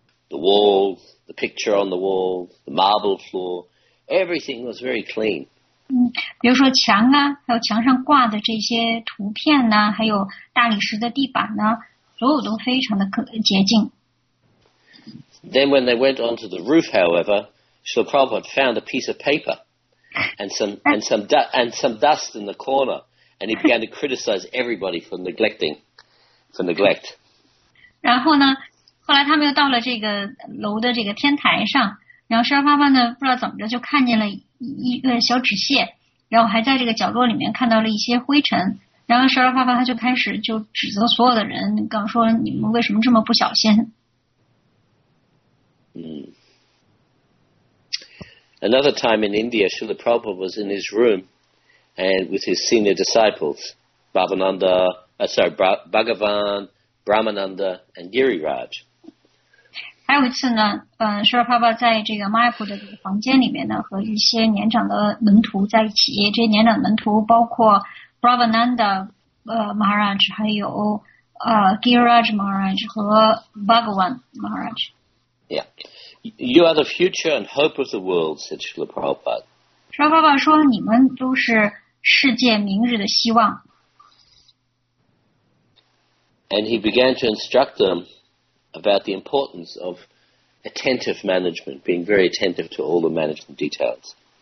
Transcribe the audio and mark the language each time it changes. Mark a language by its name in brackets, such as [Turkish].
[English] the walls, the picture on the walls, the marble floor, everything was very clean. [Chinese] 比如说墙啊，还有墙上挂的这些图片呢，还有大理石的地板呢，所有都非常的洁净。 [English] Then when they went onto the roof, however, Srila Prabhupada found a piece of paper and some dust in the corner, and he began to criticize everybody for neglect. [Chinese] 然后呢，后来他们又到了这个楼的这个天台上，然后十二爸爸呢，不知道怎么着就看见了一个小纸屑，然后还在这个角落里面看到了一些灰尘，然后十二爸爸他就开始就指责所有的人，刚说你们为什么这么不小心。 [English] Another time in India, Srila Prabhupada was in his room and with his senior disciples, Bhagavan, Brahmananda, and Giriraj. [Chinese] 还有一次呢，舍尔帕帕在这个 Mayapur 的这个房间里面呢，和一些年长的门徒在一起。这些年长的门徒包括 Brahmananda Maharaj， 还有Giriraj Maharaj 和 Bhagavan Maharaj。 [English] Yeah, you are the future and hope of the world," said Srila Prabhupada. [Chinese] 舍尔帕帕说：“你们都是世界明日的希望。” [English] And he began to instruct them about the importance of attentive management, being very attentive to all the management details.